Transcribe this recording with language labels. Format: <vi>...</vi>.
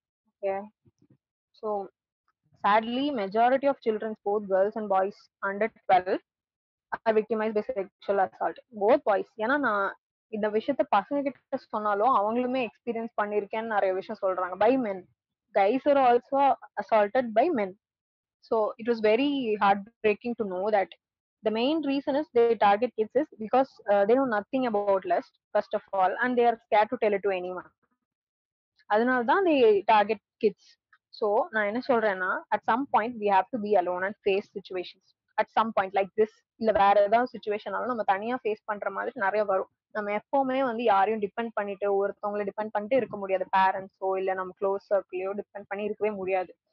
<en>Okay, so sadly majority of children both girls and boys under 12 are victimized by sexual assault, both boys.</en> <ta>ஏனா நான் இந்த விஷயத்தை பசங்க கிட்ட சொன்னாலும் அவங்களுமே எக்ஸ்பீரியன்ஸ் பண்ணிருக்கேன் நிறைய விஷயம் சொல்றாங்க</ta> <en>By men. Guys are also assaulted by men. So it was very heartbreaking to know that the main reason is they target kids is because they know nothing about lust first of all and they are scared to tell it to anyone.</en> <ta>அதனால தான்</ta> <en>they target kids. So நான் என்ன சொல்றேன்னா at some point we have to be alone and face situations at some point like this.</en> <ta>இல்லை வேற ஏதாவது சுச்சுவேஷனாலும் நம்ம தனியாக ஃபேஸ் பண்ற மாதிரி நிறைய வரும். நம்ம எப்பவுமே வந்து யாரையும் டிபெண்ட் பண்ணிட்டு ஒருத்தவங்களை டிபெண்ட் பண்ணிட்டு இருக்க முடியாது, பேரண்ட்ஸோ இல்லை நம்ம க்ளோஸ் சர்க்கிளையோ டிபெண்ட் பண்ணி இருக்கவே முடியாது.</ta>